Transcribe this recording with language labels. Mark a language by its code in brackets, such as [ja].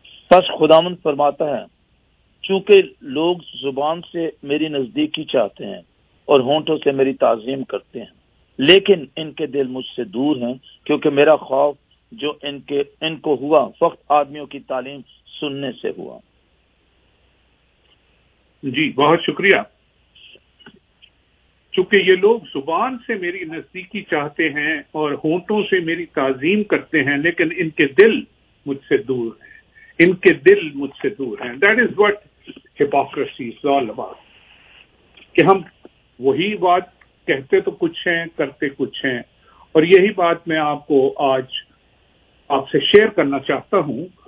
[ur] پس خداوند فرماتا ہے، چونکہ لوگ زبان سے میری نزدیکی چاہتے ہیں اور ہونٹوں سے میری تعظیم کرتے ہیں لیکن ان کے دل مجھ سے دور ہیں، کیونکہ میرا خوف جو ان کو ہوا فقط آدمیوں کی تعلیم سننے سے ہوا. جی بہت شکریہ. چونکہ یہ لوگ زبان سے میری نزدیکی چاہتے ہیں اور ہونٹوں سے میری تعظیم کرتے ہیں لیکن ان کے دل مجھ سے دور ہیں. ان کے دل مجھ سے دور ہیں. [en] That is what hypocrisy is all about. [ur] کہ ہم وہی بات کہتے تو کچھ ہیں کرتے کچھ ہیں. اور یہی بات میں آپ کو آج آپ سے شیئر کرنا چاہتا ہوں.